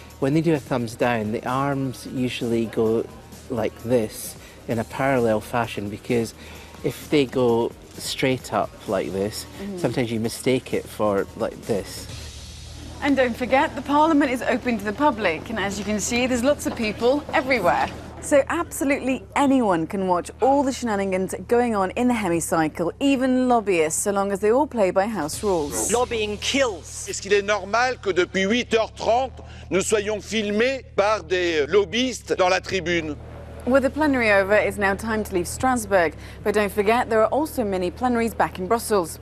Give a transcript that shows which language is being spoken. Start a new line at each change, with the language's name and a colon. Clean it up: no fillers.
English: When they do a thumbs down, the arms usually go like this in a parallel fashion, because if they go straight up like this, sometimes you mistake it for like this. And don't forget, the Parliament is open to the public, and as you can see, there's lots of people everywhere. So absolutely anyone can watch all the shenanigans going on in the hemicycle, even lobbyists, so long as they all play by house rules. Lobbying kills.
French: Est-ce qu'il est normal que depuis 8h30 nous soyons filmés par des lobbyistes dans la tribune?
English: With the plenary over, it's now time to leave Strasbourg. But don't forget, there are also many plenaries back in Brussels.